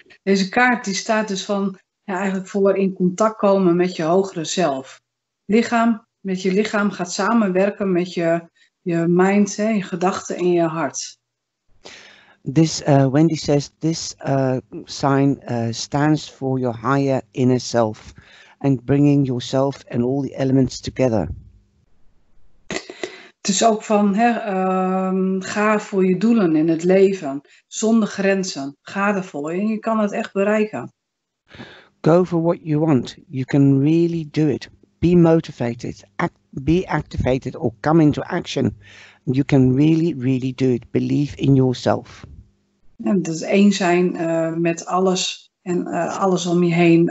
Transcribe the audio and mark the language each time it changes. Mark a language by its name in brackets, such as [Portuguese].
[Dutch] Deze kaart die staat dus van ja, eigenlijk voor in contact komen met je hogere zelf. Lichaam, met je lichaam gaat samenwerken met je mind, hè, je gedachten en je hart. [English] This Wendy says this sign stands for your higher inner self and bringing yourself and all the elements together. [Dutch] Het is ook van, hè, ga voor je doelen in het leven, zonder grenzen. Ga ervoor en je kan het echt bereiken. [English] Go for what you want. You can really do it. Be motivated. Be activated or come into action. You can really, really do it. Believe in yourself. [Dutch] En dus één zijn met alles en alles om je heen.